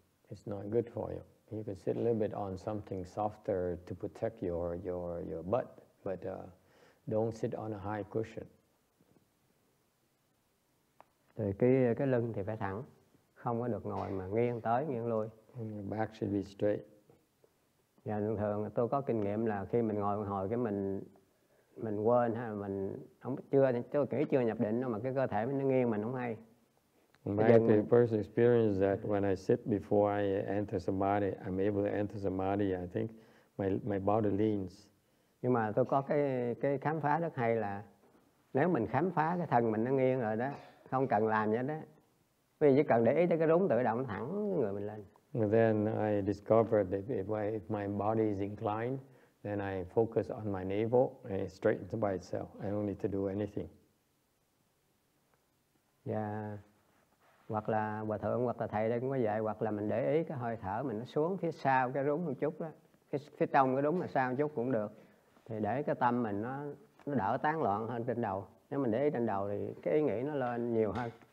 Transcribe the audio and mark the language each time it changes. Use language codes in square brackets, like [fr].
[en] It's not good for you. You can sit a little bit on something softer to protect your butt, but don't sit on a high cushion. [vi] Rồi cái lưng thì phải thẳng, không có được ngồi mà nghiêng tới nghiêng lui. [en] And your back should be straight. [vi] Dạ, thường thường tôi có kinh nghiệm là khi mình ngồi hồi cái mình quên hay là mình không chưa tôi kỹ chưa nhập định đâu mà cái cơ thể nó nghiêng mình không hay. My dừng... [en] personal experience is that when I sit before I enter samadhi, I'm able to enter samadhi. I think my body leans. [vi] Nhưng mà tôi có cái khám phá rất hay là nếu mình khám phá cái thân mình nó nghiêng rồi đó, không cần làm gì đó. Vì chỉ cần để ý cái rúng tự động thẳng người mình lên. [en] And then I discovered that if my body is inclined, then I focus on my navel and it straightens by itself. I don't need to do anything. Yeah. [vi] Hoặc là hòa thượng hoặc là thầy đây cũng có dạy, hoặc là mình để ý cái hơi thở mình nó xuống phía sau cái rúng một chút đó, phía trong cái rúng là sau một chút cũng được, thì để cái tâm mình nó đỡ tán loạn hơn trên đầu. Nếu mình để ý trên đầu thì cái ý nghĩ nó lên nhiều hơn.